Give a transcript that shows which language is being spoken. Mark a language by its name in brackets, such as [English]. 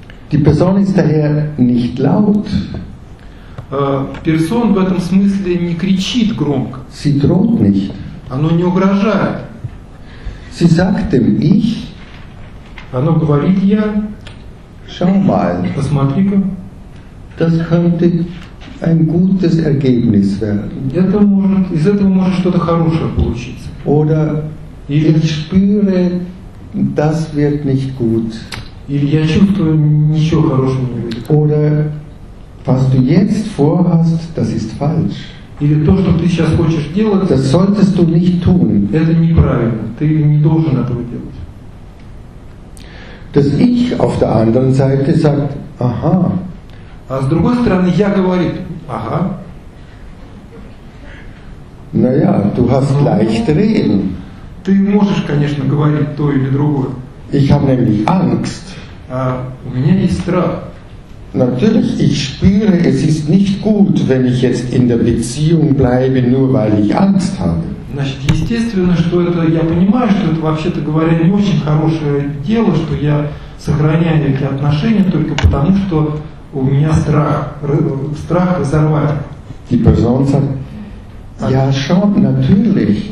[German] Die Person ist daher nicht laut. [Russian] Person в этом смысле не кричит громко. [German] Sie droht nicht. [Russian] Оно не угрожает. [German] Sie sagt dem Ich. [Russian] Оно говорит я. [German] Schau mal. [Russian] Посмотри-ка. [German] Das könnte ein gutes Ergebnis werden. [Russian] Это может, из этого может что-то хорошее получиться. [German] Oder [Russian] Или, [German] ich spüre, das wird nicht gut. [Russian] Или я чувствую, ничего хорошего не будет. [German] Oder was du jetzt vorhast, das ist falsch. [Russian] Или то, что ты сейчас хочешь делать, [German] das solltest du nicht tun. [Russian] Это неправильно, ты не должен этого делать. [German] Das Ich auf der anderen Seite sagt, aha. [Russian] А с другой стороны, я говорит, ага. [German] Naja, du hast leicht reden. [Russian] Ты можешь, конечно, говорить то или другое. [German] Ich habe nämlich Angst. [Russian] А у меня есть страх. [German] Natürlich, ich spüre, es ist nicht gut, wenn ich jetzt in der Beziehung bleibe, nur weil ich Angst habe. [Russian] Значит, естественно, что это, я понимаю, что это, вообще-то говоря, не очень хорошее дело, что я сохраняю эти отношения только потому, что у меня страх разорвать. [German] Die Person sagt, ja schon, natürlich.